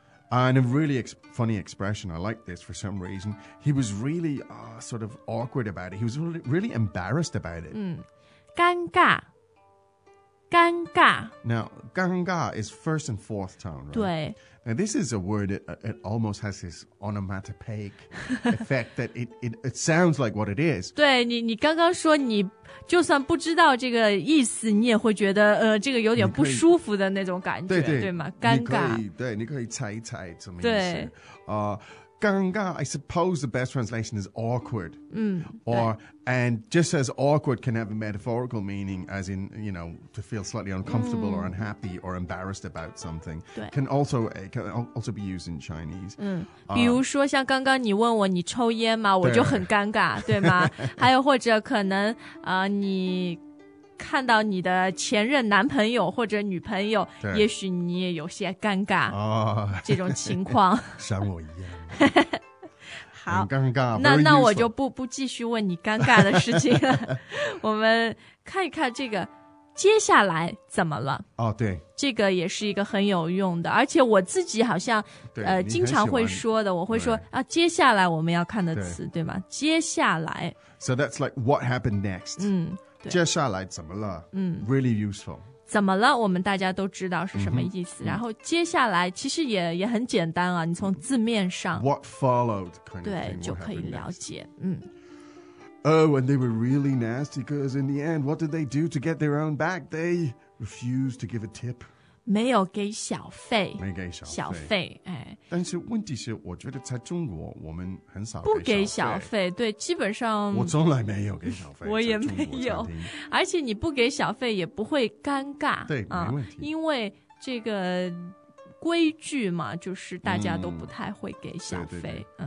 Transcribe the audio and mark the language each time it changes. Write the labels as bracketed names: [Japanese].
[English] And a really funny expression I like this for some reason He was really、sort of awkward about it He was really, really embarrassed about it、 [Chinese] 嗯、尴尬尴尬 [English] Now 尴尬 is first and fourth tone、right? [Chinese] 对 [English] Now, this is a word, it almost has this onomatopoeic effect that it sounds like what it is. [Chinese] 对, 你刚刚说你就算不知道这个意思,你也会觉得这个有点不舒服的那种感觉, 对, 对, 对吗?尴尬。你可以,对,你可以猜一猜什么意思。对。 [English] 尴尬, I suppose the best translation is awkward. 嗯, or, and just as awkward can have a metaphorical meaning, as in, you know, to feel slightly uncomfortable、嗯、or unhappy or embarrassed about something, [Chinese] 对 [English] can also be used in Chinese.、 [Chinese] 嗯、比如说像刚刚你问我你抽烟吗我就很尴尬 对吗还有或者可能、你看到你的前任男朋友或者女朋友也许你也有些尴尬、 [English] oh, [Chinese] 这种情况像我一样好尴尬那我就 不继续问你尴尬的事情了我们看一看这个接下来怎么了、 oh, 对这个也是一个很有用的而且我自己好像经常会说的我会说啊，接下来我们要看的词 对吗接下来 [English] So that's like what happened next 嗯 [Chinese] 接下来怎么了、嗯、 [English] Really useful [Chinese] 怎么了我们大家都知道是什么意思、mm-hmm. 然后接下来其实 也很简单啊你从字面上 [English] What followed kind of thing [Chinese] 对就可以了解、嗯、 [English] Oh and they were really nasty Because in the end what did they do to get their own back They refused to give a tip [Chinese] 没有给小费没给小费小费、哎、但是问题是我觉得在中国我们很少给不给小费对基本上我从来没有给小费我也没有而且你不给小费也不会尴尬对、没问题因为这个规矩嘛就是大家都不太会给小费、